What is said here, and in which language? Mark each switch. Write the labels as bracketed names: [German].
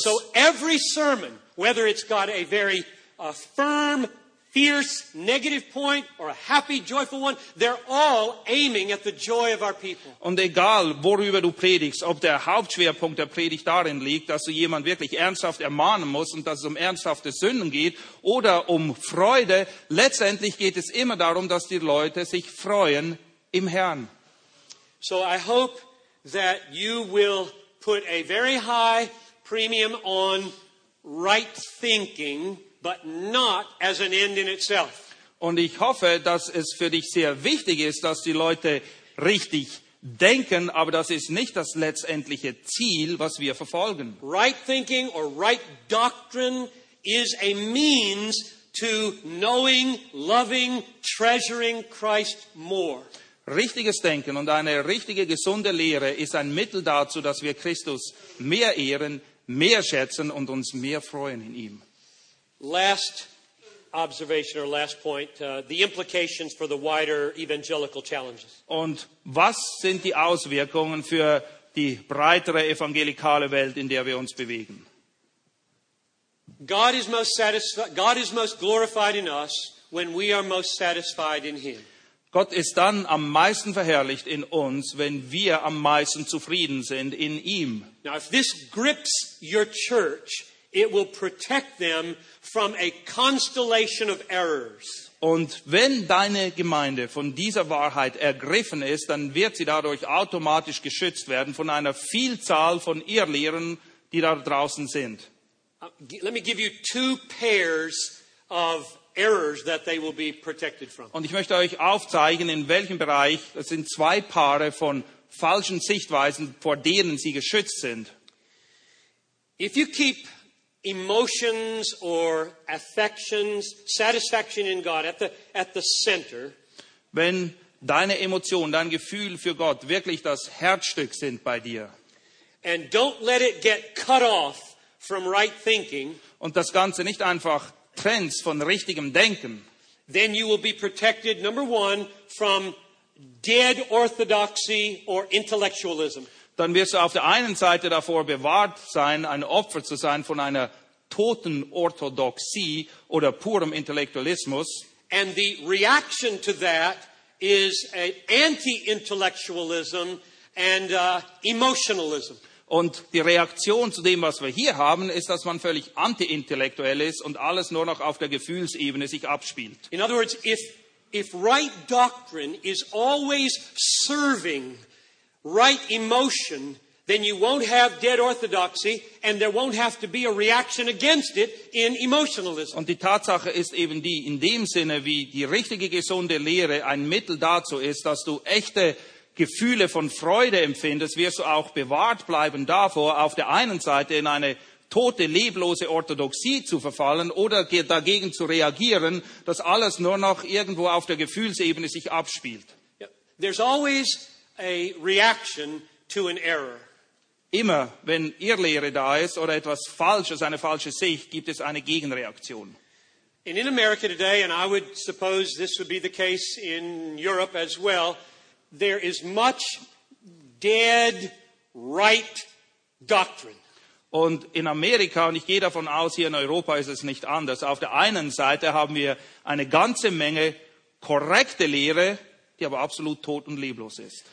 [English] So every sermon, whether it's got a very firm, fierce, negative point or a happy, joyful one, they're all aiming at the joy of our people. [German] Und egal, worüber du predigst, ob der Hauptschwerpunkt der Predigt darin liegt, dass du jemanden wirklich ernsthaft ermahnen musst und dass es um ernsthafte Sünden geht oder um Freude, letztendlich geht es immer darum, dass die Leute sich freuen im Herrn. [English] So I hope that you will put a very high premium on right thinking, but not as an end in itself. [German] Und ich hoffe, dass es für dich sehr wichtig ist, dass die Leute richtig denken, aber das ist nicht das letztendliche Ziel, was wir verfolgen. [English] Right thinking or right doctrine is a means to knowing, loving, treasuring Christ more. [German] Richtiges Denken und eine richtige, gesunde Lehre ist ein Mittel dazu, dass wir Christus mehr ehren, mehr schätzen und uns mehr freuen in ihm. [English] Last observation or last point, the implications for the wider evangelical challenges. [German] Und was sind die Auswirkungen für die breitere evangelikale Welt, in der wir uns bewegen? [English] God is most glorified in us when we are most satisfied in him. [German] Gott ist dann am meisten verherrlicht in uns, wenn wir am meisten zufrieden sind in ihm. [English] Now if this grips your church, it will protect them from a constellation of errors. [German] Und wenn deine Gemeinde von dieser Wahrheit ergriffen ist, dann wird sie dadurch automatisch geschützt werden von einer Vielzahl von Irrlehren, die da draußen sind. [English] Let me give you two pairs of errors that they will be protected from. [German] Und ich möchte euch aufzeigen, in welchem Bereich es sind zwei Paare von falschen Sichtweisen, vor denen sie geschützt sind. [English] If you keep emotions or affections, satisfaction in God at the center, [German] wenn deine Emotionen, dein Gefühl für Gott wirklich das Herzstück sind bei dir, [English] and don't let it get cut off from right thinking, [German] und das Ganze nicht einfach trennst von richtigem Denken, [English] then you will be protected, number one, from dead orthodoxy or intellectualism. [German] Dann wirst du auf der einen Seite davor bewahrt sein, ein Opfer zu sein von einer toten Orthodoxie oder purem Intellektualismus. [English] And the reaction to that is an anti-intellectualism and emotionalism. [German] Und die Reaktion zu dem, was wir hier haben, ist, dass man völlig anti-intellektuell ist und alles nur noch auf der Gefühlsebene sich abspielt. [English] In other words, if right doctrine is always serving right emotion, then you won't have dead orthodoxy and there won't have to be a reaction against it in emotionalism. [German] Und die Tatsache ist eben die, in dem Sinne, wie die richtige, gesunde Lehre ein Mittel dazu ist, dass du echte Gefühle von Freude empfindest, wirst du auch bewahrt bleiben davor, auf der einen Seite in eine tote, leblose Orthodoxie zu verfallen oder dagegen zu reagieren, dass alles nur noch irgendwo auf der Gefühlsebene sich abspielt. [English] Yep. There's always a reaction to an error. [German] Immer, wenn Irrlehre da ist oder etwas Falsches, eine falsche Sicht, gibt es eine Gegenreaktion. [English] And in America today, and I would suppose this would be the case in Europe as well, there is much dead right doctrine. [German] Und in Amerika, und ich gehe davon aus, hier in Europa ist es nicht anders. Auf der einen Seite haben wir eine ganze Menge korrekte Lehre, die aber absolut tot und leblos ist.